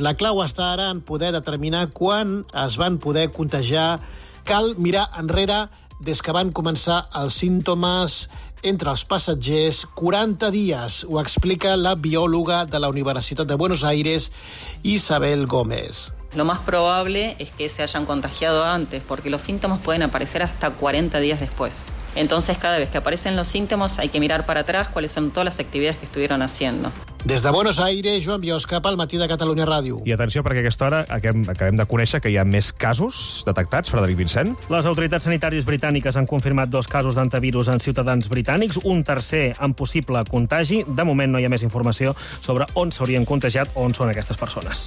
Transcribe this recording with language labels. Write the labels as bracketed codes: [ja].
[ca] La clau està ara en poder determinar quan es van poder contagiar. Cal mirar enrere des que van començar els símptomes entre els passatgers 40 dies, ho explica la biòloga de la Universitat de Buenos Aires, Isabel Gómez. [es] Lo más probable es que se hayan contagiado antes, porque los síntomas pueden aparecer hasta 40 días después. Entonces, cada vez que aparecen los síntomas, hay que mirar para atrás cuáles son todas las actividades que estuvieron haciendo. [ca] Des de Buenos Aires, Joan Biosca, al Matí de Catalunya Ràdio. I atenció, perquè aquesta hora acabem de conèixer que hi ha més casos detectats, Frederic Vincent. Les autoritats sanitàries britàniques han confirmat dos casos d'antivirus en ciutadans britànics, un tercer amb possible contagi. De moment no hi ha més informació sobre on s'haurien contagiat o on són aquestes persones.